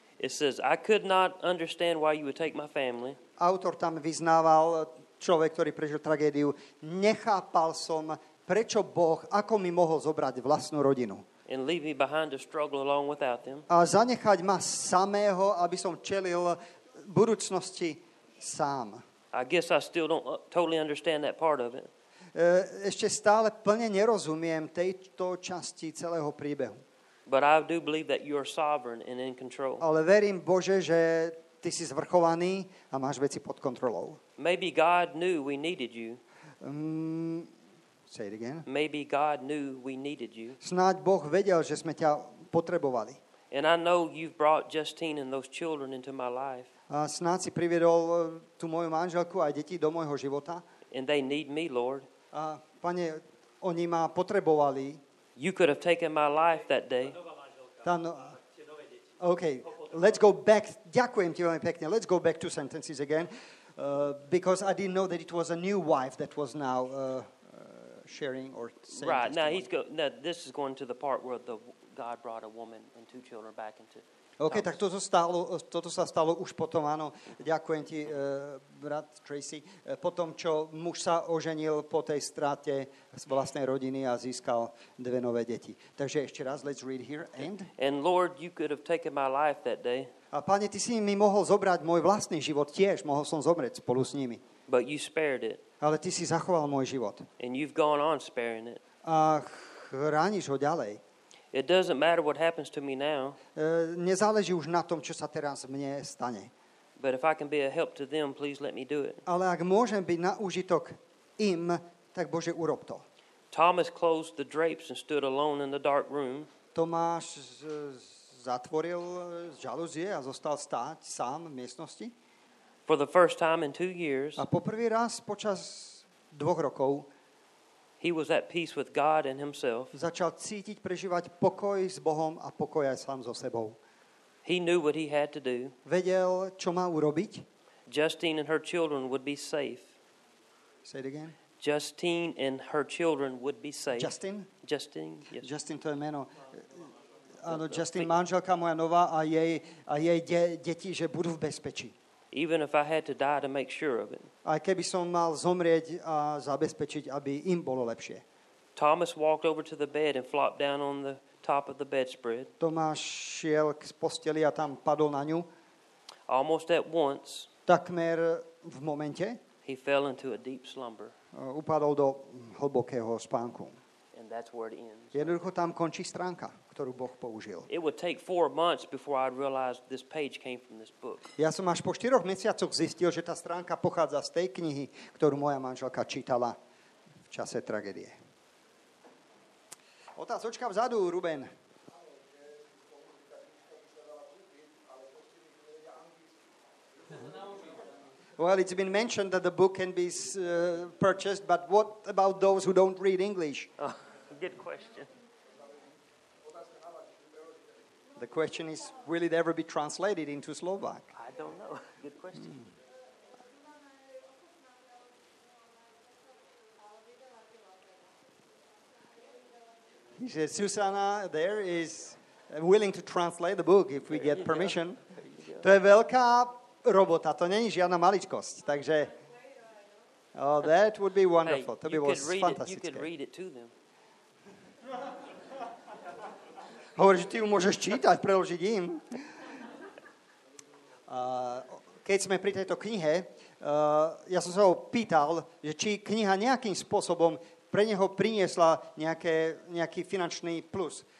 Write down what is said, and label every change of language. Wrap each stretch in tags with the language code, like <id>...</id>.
<en>It says, I could not understand why you would take my family.</en> <sk>Autor tam vyznával, človek, ktorý prežil tragédiu, nechápal som, prečo Boh, ako mi mohol zobrať vlastnú rodinu.</sk> <en>And leave me behind to struggle along without them.</en> <sk>A zanechať ma samého, aby som čelil budúcnosti sám.</sk> <en>I guess I still don't totally understand that part of it.</en> <sk>Ešte stále plne nerozumiem tejto časti celého príbehu.</sk> <en>But I do believe that you are sovereign and in control.</en> <sk>Ale verím, Bože, že ty si zvrchovaný a máš veci pod kontrolou.</sk> <en>Maybe God knew we needed you. Say it again. Maybe God knew we needed you.</en> <sk>Snáď Boh vedel, že sme ťa potrebovali.</sk> <en>And I know you've brought Justine and those children into my life.</en> <sk>A snáď si priviedol tú moju manželku a deti do môjho života.</sk> <en>And they need me, Lord.</en> <sk>A pane, oni ma potrebovali.</sk> <en>You could have taken my life that day. Okay, let's go back.</en> <sk>Ďakujem ti veľmi pekne.</sk> <en>Let's go back two sentences again. Because I didn't know that it was a new wife that was now sharing or saying. Right, now he's this is going to the part where the God brought a woman and two children back into.</en> <sk>Okay, tak toto sa stalo už potom, áno. Ďakujem ti, brat Tracy. Potom, čo muž sa oženil po tej strate z vlastnej rodiny a získal dve nové deti. Takže ešte raz,</sk> <en>let's read here, and? And Lord, you could have taken my life that day.</en> <sk>A Pane, ty si mi mohol zobrať môj vlastný život tiež, mohol som zomrieť spolu s nimi.</sk> <en>But you spared it.</en> <sk>Ale ty si zachoval môj život.</sk> <en>And you've gone on sparing it.</en> <sk>A chrániš ho ďalej.</sk> <en>It doesn't matter what happens to me now.</en> <sk>Nezáleží už na tom, čo sa teraz mne stane.</sk> <en>But if I can be a help to them, please let me do it.</en> <sk>Ale ak môžem byť na užitok im, tak Bože, urob to.</sk> <en>Thomas closed the drapes and stood alone in the dark room.</en> <sk>Tomáš zatvoril žalúzie a zostal stáť sám v miestnosti.</sk> <en>For the first time in 2 years.</en> <sk>A po prvý raz počas 2 rokov.</sk> <en>He was at peace with God and himself.</en> <sk>Začal cítiť, prežívať pokoj s Bohom a pokoj aj sám so sebou.</sk> <en>He knew what he had to do.</en> <sk>Vedel, čo má urobiť.</sk> <en>Justine and her children would be safe. Say it again. Justine and her children would be safe. Justin? Justine, yes.</en> <sk>Justin, to je meno. Áno, Justine, manželka moja nová a jej deti, že budú v bezpečí.</sk> <en>Even if I had to die to make sure of it.</en> <sk>Aj keby som mal zomrieť a zabezpečiť, aby im bolo lepšie.</sk> <en>Thomas walked over to the bed and flopped down on the top of the bedspread.</en> <sk>Tomáš šiel k posteli a tam padol na ňu.</sk> <en>Almost at once.</en> <sk>Takmer v momente.</sk> <en>He fell into a deep slumber.</en> <sk>Upadol do hlbokého spánku.</sk> <en>And that's where it ends.</en> <sk>Jednoducho tam končí stránka, ktorú Boh použil.</sk> <en>It would take 4 months before I realized this page came from this book.</en> <sk>Ja som až po 4 mesiacoch zistil, že tá stránka pochádza z tej knihy, ktorú moja manželka čítala v čase tragédie. Otázočka vzadu, Ruben.</sk> <en>Well, it's been mentioned that the book can be purchased, but what about those who don't read English? Good question. The question is, will it ever be translated into Slovak? I don't know. Good question. He says, Susanna there is willing to translate the book if we get permission.</en> <sk>To je veľká robota, to není žiadna maličkosť, takže...</sk> <en>Oh, that would be wonderful. Hey,</en> <sk>to by was fantastické.</sk> <en>You could read it to them.</en> <sk>Hovorí, že ty ju môžeš čítať, preložiť im. Keď sme pri tejto knihe, ja som sa ho pýtal, že či kniha nejakým spôsobom pre neho priniesla nejaký finančný plus.</sk>